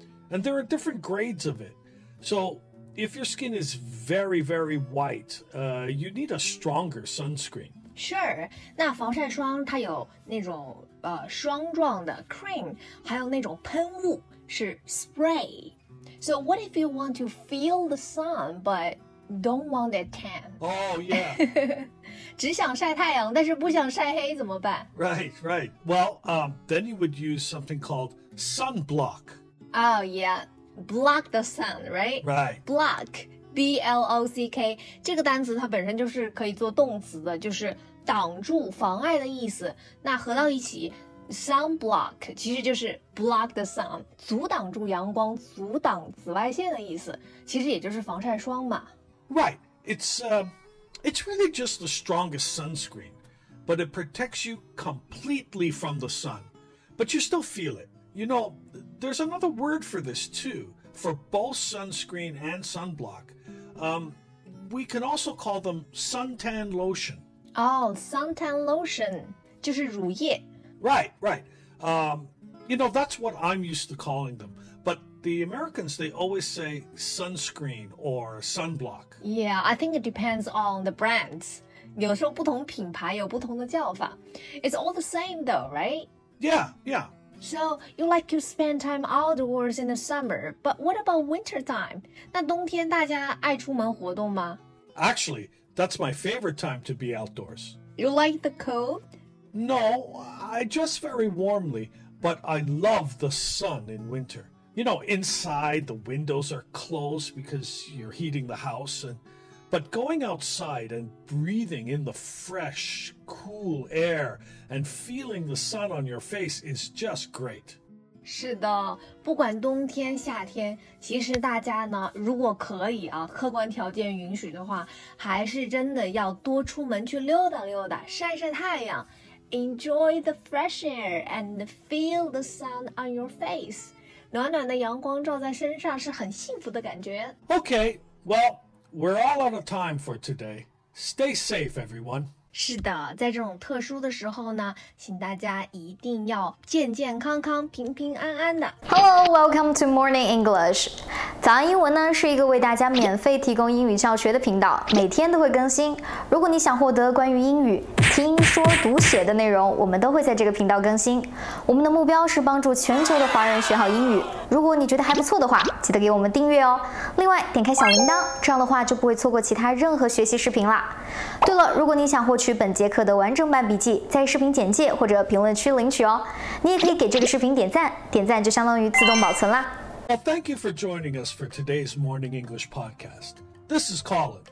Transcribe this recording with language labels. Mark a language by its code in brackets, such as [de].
[en] And there are different grades of it. So if your skin is very, very white, you need a stronger sunscreen. Sure, [zh] 那防晒霜它有那种霜状的 cream, 还有那种喷雾是 spray. [en] So what if you want to feel the sun, but don't want a tan? Oh, yeah. [zh] 只想晒太阳但是不想晒黑怎么办 [en] Right, right. Well, then you would use something called sunblock. Oh, yeah. Block the sun, right? Right. Block. [zh] B-L-O-C-K, 这个单词它本身就是可以做动词的，就是挡住、妨碍的意思。那合到一起 ,sunblock, 其实就是 [en] block the sun, [zh] 阻挡住阳光、阻挡紫外线的意思，其实也就是防晒霜嘛。 [en] Right, it's really just the strongest sunscreen, but it protects you completely from the sun. But you still feel it. You know, there's another word for this too. For both sunscreen and sunblock, we can also call them suntan lotion. Oh, suntan lotion, [zh] 就是乳液。 [en] Right, right. You know, that's what I'm used to calling them. But the Americans, they always say sunscreen or sunblock. Yeah, I think it depends on the brands. [zh] 有时候不同品牌有不同的叫法。 [en] It's all the same though, right? Yeah, yeah. So, you like to spend time outdoors in the summer, but what about winter time? [zh] 那冬天大家爱出门活动吗? [en] Actually, that's my favorite time to be outdoors. You like the cold? No, I dress very warmly, but I love the sun in winter. You know, inside, the windows are closed because you're heating the house. But going outside and breathing in the fresh, cool air and feeling the sun on your face is just great. [zh] 是的，不管冬天、夏天，其实大家呢，如果可以啊，客观条件允许的话，还是真的要多出门去溜达溜达，晒晒太阳。 [en] Enjoy the fresh air and feel the sun on your face. [zh] 暖暖的阳光照在身上是很幸福的感觉。 [en] Okay, well... We're all out of time for today. Stay safe, everyone. [zh] 是的，在这种特殊的时候呢，请大家一定要健健康康、平平安安的。 [en] Hello, welcome to Morning English. [zh] 早安英文呢，是一个为大家免费提供英语教学的频道，每天都会更新。如果你想获得关于英语听说读写的内容，我们都会在这个频道更新。我们的目标是帮助全球的华人学好英语。如果你觉得还不错的话，记得给我们订阅哦。另外，点开小铃铛，这样的话就不会错过其他任何学习视频啦。对了，如果你想获取本节课的完整版笔记，在视频简介或者评论区领取哦。你也可以给这个视频点赞，点赞就相当于自动保存啦。 [en] Well, thank you for joining us for today's Morning English Podcast. This is Colin.